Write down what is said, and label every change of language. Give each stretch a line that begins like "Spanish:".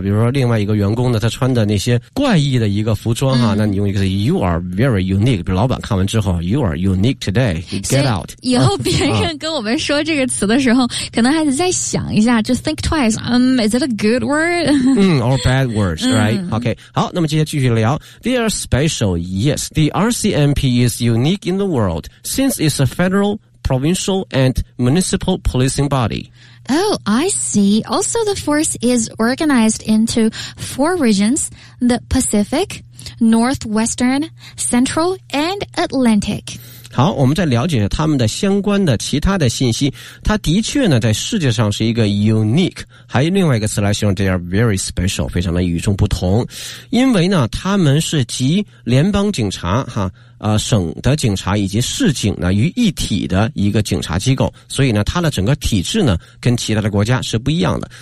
Chinese: 比如说另外一个员工呢，他穿的那些怪异的一个服装哈，那你用一个
English: You are very unique，
Chinese: 比如老板看完之后
English: You are unique today， get out。
Chinese: 以后别人跟我们说这个词的时候，可能还得再想一下，就
English: think twice。 Is it a good word？嗯 ，or bad words， right？
Chinese: OK， 好，那么接下来继续聊。
English: They are special， yes。 The RCMP is unique in the world since it's a federal, provincial, and municipal policing body。 Oh, I see. Also, the force is organized into four regions: the Pacific, Northwestern, Central, and Atlantic。
Chinese: 好，我们再了解他们的相关的其他的信息。他的确呢，在世界上是一个 unique， 还有另外一个词来形容 ，
English: they are very special，
Chinese: 非常的与众不同。因为呢，他们是集联邦警察哈。省的警察以及市警呢于一体的一个警察机构，所以呢它的整个体制呢跟其他的国家是不一样的。